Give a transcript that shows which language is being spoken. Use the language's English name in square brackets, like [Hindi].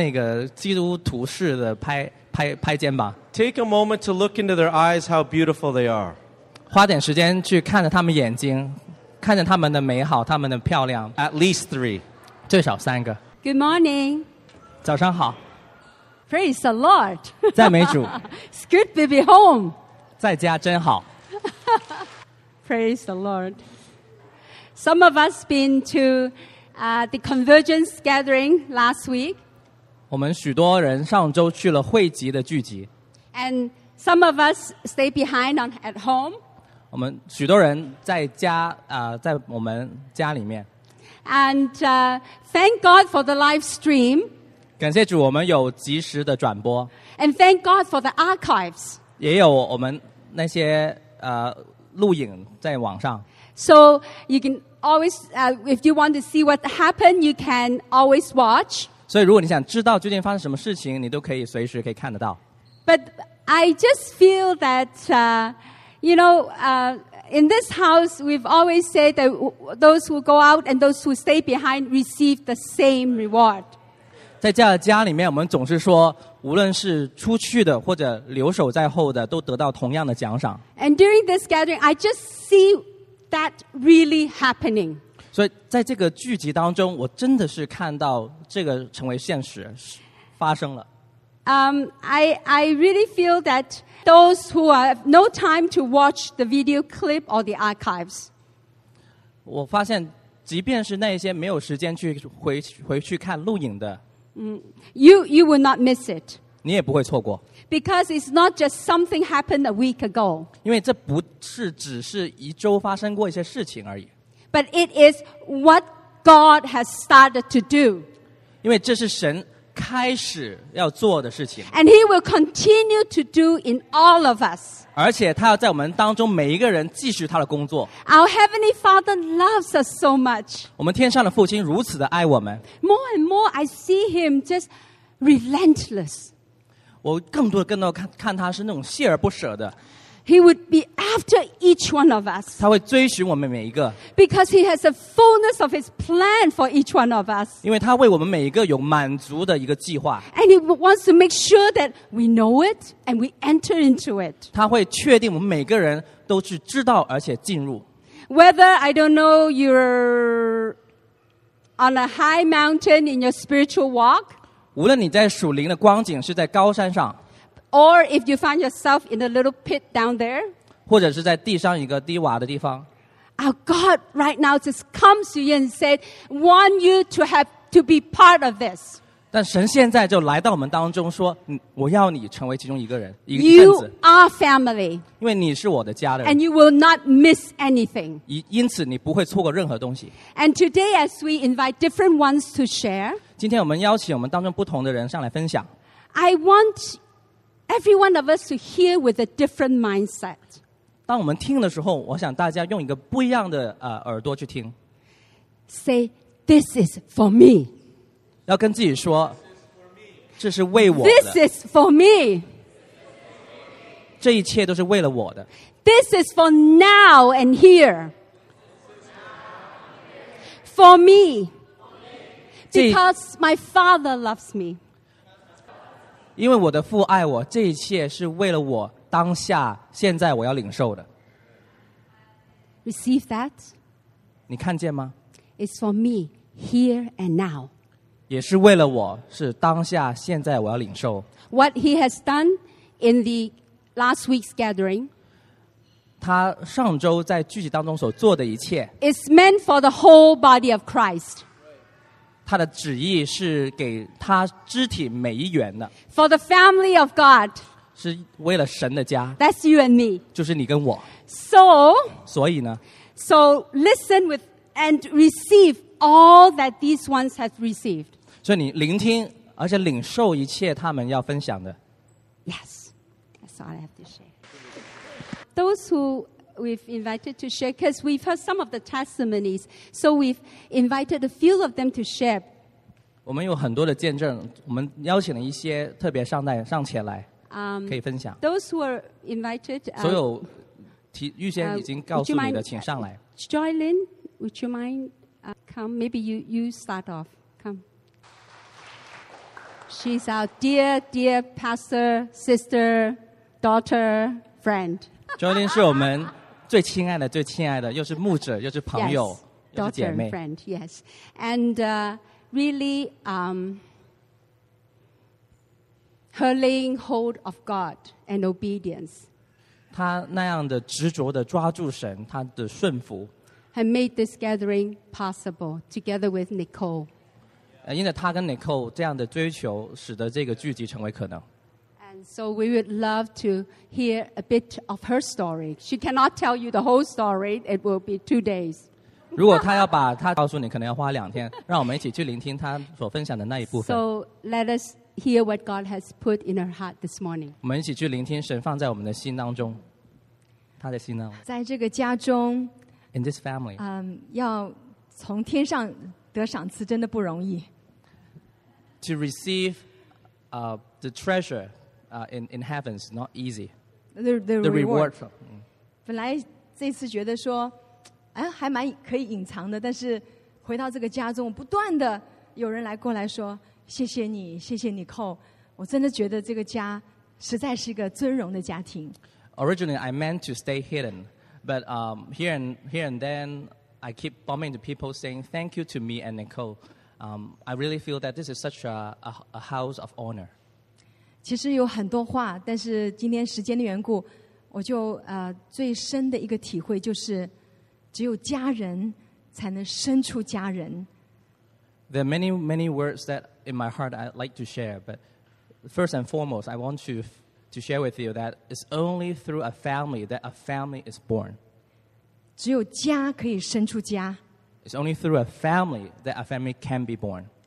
[Chinese] 要超过3秒钟那个基督徒式的拍肩膀。 [English] Take a moment to look into their eyes how beautiful they are. [Chinese] 花点时间去看着他们眼睛, 看着他们的美好, 他们的漂亮。 [English] At least three. [Chinese] 最少三个。 [English] Good morning. [Chinese] 早上好。 [English] Praise the Lord. [Chinese] 赞美主。 [English] It's good to be home. [Chinese] 在家真好。 [English] Praise the Lord. Some of us been to the convergence gathering last week. [Chinese] 我们许多人上周去了汇集的聚集。 [English] And some of us stay behind on at home. [Chinese] 我们许多人在家, 在我们家里面。 [English] And thank God for the live stream. [Chinese] 感谢主，我们有及时的转播。 [English] And thank God for the archives. [Chinese] 也有我们那些, 录影在网上。 [English] So you can always, if you want to see what happened, you can always watch. [Chinese] 所以如果你想知道究竟发生什么事情, 你都可以随时可以看得到。 [English] But I just feel that, you know, in this house, we've always said that those who go out and those who stay behind receive the same reward. [Chinese] 在家里面我们总是说, 无论是出去的或者留守在后的, 都得到同样的奖赏。 [English] And during this gathering, I just see that really happening. [Chinese] 所以在这个聚集当中, 我真的是看到这个成为现实发生了。 [English] I really feel that those who have no time to watch the video clip or the archives. [Chinese] 我发现即便是那些没有时间去回去看录影的, [English] you will not miss it. [Chinese] 你也不会错过。 [English] Because it's not just something happened a week ago. [Chinese] 因为这不是只是一周发生过一些事情而已。 [English] But it is what God has started to do. [Chinese] 因为这是神 开始要做的事情, [English] and he will continue to do in all of us. [Chinese] 而且他要在我们当中每一个人继续他的工作。 [English] Our Heavenly Father loves us so much. [Chinese] 我们天上的父亲如此的爱我们。 [English] More and more I see him just relentless. [Chinese] 我更多更多看他是那种锲而不舍的。 [English] He would be after each one of us. [Chinese] 他会追寻我们每一个。 [English] Because he has a fullness of his plan for each one of us. [Chinese] 因为他为我们每一个有满足的一个计划。 [English] And he wants to make sure that we know it and we enter into it. [Chinese] 他会确定我们每个人都是知道而且进入。 [English] Whether, I don't know, you're on a high mountain in your spiritual walk. [Chinese] 无论你在属灵的光景是在高山上。 [English] Or if you find yourself in a little pit down there, [Chinese] 或者是在地上一个低洼的地方, [English] our God right now just comes to you and said, want you to have to be part of this. [Chinese] 但神现在就来到我们当中说, 我要你成为其中一个人, 一个分子, [English] you are family. [Chinese] 因为你是我的家人, [English] and you will not miss anything. [Chinese] 因此你不会错过任何东西。 [English] And today as we invite different ones to share, [Chinese] 今天我们邀请我们当中不同的人上来分享。 [English] I want... Every one of us to hear with a different mindset. [Chinese] 当我们听的时候，我想大家用一个不一样的耳朵去听。 [English] Say, this is for me. [Chinese] 要跟自己说，这是为我的。 [English] This is for me. [Chinese] 这一切都是为了我的。 [English] This is for now and here. For me. Because my father loves me. [Chinese] 因为我的父爱我，这一切是为了我当下现在我要领受的。 [English] Receive that. [Chinese] 你看见吗 [English] ？It's for me here and now. [Chinese] 也是为了我，是当下现在我要领受。 [English] What he has done in the last week's gathering. [Chinese] 他上周在聚集当中所做的一切。 [English] It's meant for the whole body of Christ. [Chinese] 他的旨意是给他肢体每一员的。 [English] For the family of God. [Chinese] 是为了神的家。 [English] That's you and me. [Chinese] 就是你跟我。 [English] So. [Chinese] 所以呢。 [English] So listen with and receive all that these ones have received. [Chinese] 所以你聆听而且领受一切他们要分享的。 [English] Yes. That's all I have to share. Those who... We've invited to share because we've heard some of the testimonies, so we've invited a few of them to share. [Chinese] 我们有很多的见证，我们邀请了一些特别上代上前来，可以分享。 [English] Those who are invited, [Chinese] 所有提预先已经告诉你的，请上来。 [English] Joy Lin, would you mind come? Maybe you start off. Come. She's our dear pastor, sister, daughter, friend. [Chinese] Joy Lin 是我们。最亲爱的，最亲爱的，又是牧者，又是朋友， yes, 又是姐妹。 [English] Daughter, friend, yes, and really, her laying hold of God and obedience. [Chinese] 她那样的执着的抓住神，她的顺服。 [English] Had made this gathering possible together with Nicole. [Chinese] 因着她跟 Nicole 这样的追求，使得这个聚集成为可能。 [English] So we would love to hear a bit of her story. She cannot tell you the whole story. It will be 2 days. [Chinese] 如果她要把她告诉你，可能要花两天。让我们一起去聆听她所分享的那一部分。 [English] So let us hear what God has put in her heart this morning. [Chinese] 我们一起去聆听神放在我们的心当中，她的心呢？在这个家中 [English] ，In this family， [Chinese] 要从天上得赏赐，真的不容易。 [English] To receive, the treasure. In heaven is not easy. The reward. [Chinese] 本来这次觉得说，哎，还蛮可以隐藏的。但是回到这个家中，不断的有人来过来说，谢谢你，谢谢你寇。我真的觉得这个家实在是一个尊荣的家庭。 [English] Originally, I meant to stay hidden, but here and then, I keep bumping into people saying thank you to me and Nicole. I really feel that this is such a house of honor. [Chinese] 其实有很多话，但是今天时间的缘故，我就最深的一个体会就是，只有家人才能生出家人。 [English] There are many words that in my heart I'd like to share, but first and foremost, I want to share with you that it's only through a family that a family is born. [Chinese] 只有家可以生出家。 [English] It's only through a family that a family can be born.